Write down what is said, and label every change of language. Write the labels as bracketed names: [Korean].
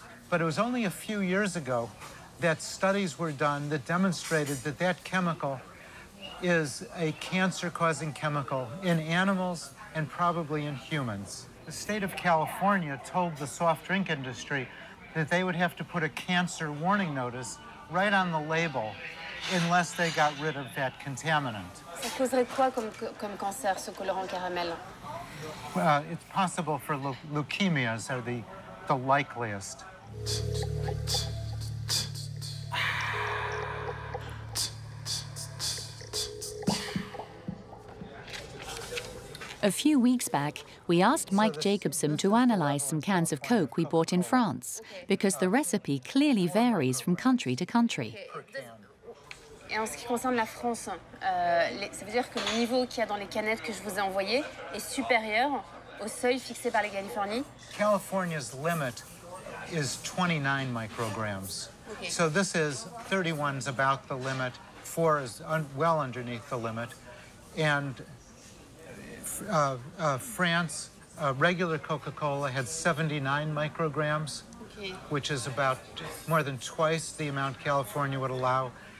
[English] But it was only a few years ago that studies were done that demonstrated that that chemical is a cancer-causing chemical in animals and probably in humans. The state of California told the soft drink industry that they would have to put a cancer warning notice right on the label unless they got rid of that contaminant. [French] Ça causerait quoi comme cancer, ce colorant caramel? [English] Well, it's possible for leukemias are the likeliest. A few weeks back, we asked Mike Jacobson to analyze some cans of Coke we bought in France, because the recipe clearly varies from country to country. [French] Et en ce qui concerne la France, ça veut dire que le niveau qu'il y a dans les canettes que je vous ai envoyées est supérieur au seuil fixé par la Californie. [English] California's limit is 29 micrograms. Okay. So this is 31 is about the limit, 4 is well underneath the limit, and France, regular Coca-Cola had 79 micrograms, okay, which is about more than twice the amount California would allow.